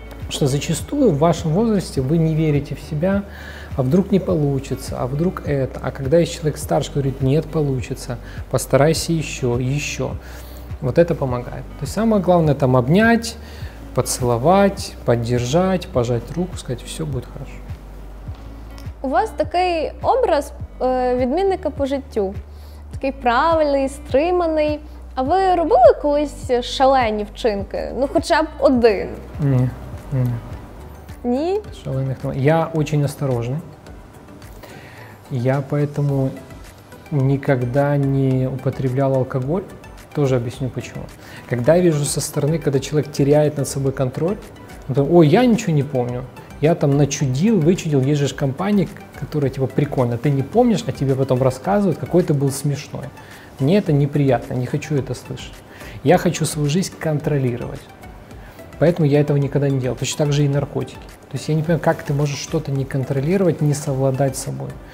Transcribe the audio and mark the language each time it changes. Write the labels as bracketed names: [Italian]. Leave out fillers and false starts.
[Russian] Что зачастую в вашем возрасте вы не верите в себя, а вдруг не получится, а вдруг это. А когда есть человек старше, говорит, нет, получится, постарайся еще, еще. Вот это помогает. То есть самое главное там обнять, поцеловать, поддержать, пожать руку, сказать, все будет хорошо. [Ukrainian] У вас такий образ відмінника по життю, такий правильний, стриманий. А ви робили колись шалені вчинки? Ну, хоча б один. Ні. Ні? Шалених немає. Я дуже осторожний. Я тому ніколи не употребляв алкоголь. Теж об'ясню, чому. Коли я бачу зі сторони, коли людина втрачає над собою контроль, то, ой, я нічого не пам'ятаю. [Russian] Я там начудил, вычудил, есть же компании, которые типа прикольно, ты не помнишь, а тебе потом рассказывают, какой ты был смешной. Мне это неприятно, не хочу это слышать. Я хочу свою жизнь контролировать. Поэтому я этого никогда не делал. Точно так же и наркотики. То есть я не понимаю, как ты можешь что-то не контролировать, не совладать с собой.